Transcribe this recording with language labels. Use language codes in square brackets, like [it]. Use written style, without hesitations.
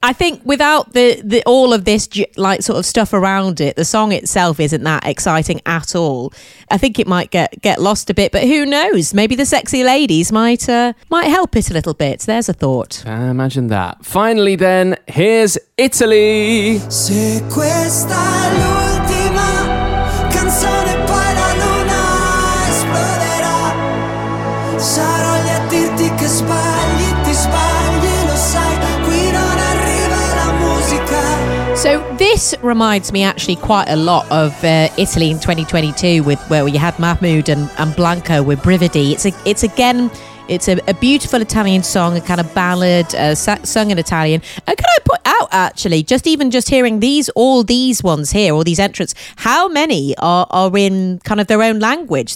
[en] I think without the all of this like sort of stuff around it, the song itself isn't that exciting at all. I think it might get lost a bit, but who knows? Maybe the sexy ladies might help it a little bit. There's a thought. Imagine that. Finally then, here's Italy. [it] Se questa è l'ultima canzone, poi la luna esploderà. Sarò lì a dirti che sbagli, ti sbagli, lo sai, qui non arriva la musica. [en] So this reminds me actually quite a lot of Italy in 2022, with where we had Mahmoud and Blanco with Brividi. It's a beautiful Italian song, a kind of ballad, sung in Italian. And can I put about, actually. Just even just hearing these, all these ones here, all these entrants, how many are in kind of their own language?